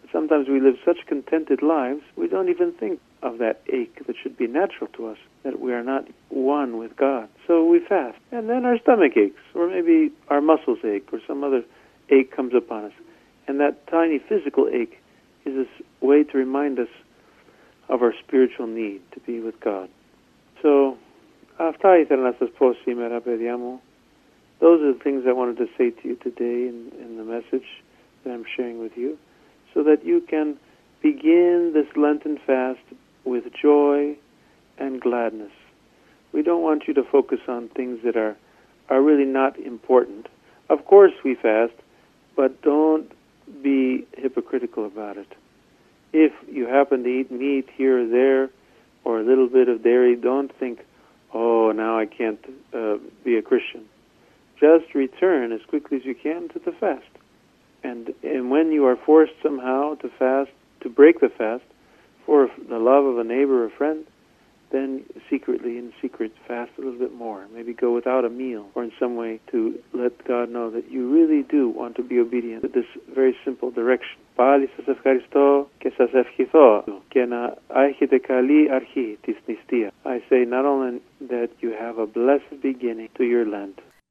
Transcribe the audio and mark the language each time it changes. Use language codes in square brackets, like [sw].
[en] Sometimes we live such contented lives, we don't even think of that ache that should be natural to us, that we are not one with God. So we fast, and then our stomach aches, or maybe our muscles ache, or some other ache comes upon us. And that tiny physical ache is a way to remind us of our spiritual need to be with God. [el] So, αυτά ήθελα να σας πω σήμερα, παιδιά μου. [en] Those are the things I wanted to say to you today in the message that I'm sharing with you, so that you can begin this Lenten fast with joy and gladness. We don't want you to focus on things that are really not important. Of course we fast, but don't be hypocritical about it. If you happen to eat meat here or there, or a little bit of dairy, don't think, oh, now I can't be a Christian. Just return as quickly as you can to the fast. And when you are forced somehow to fast, to break the fast, for the love of a neighbor or friend, then secretly, in secret, fast a little bit more. Maybe go without a meal, or in some way to let God know that you really do want to be obedient to this very simple direction. [el] Πάλι σας ευχαριστώ και σας ευχηθώ και να έχετε καλή αρχή της νηστείας. [en] I say not only that you have a blessed beginning to your Lent.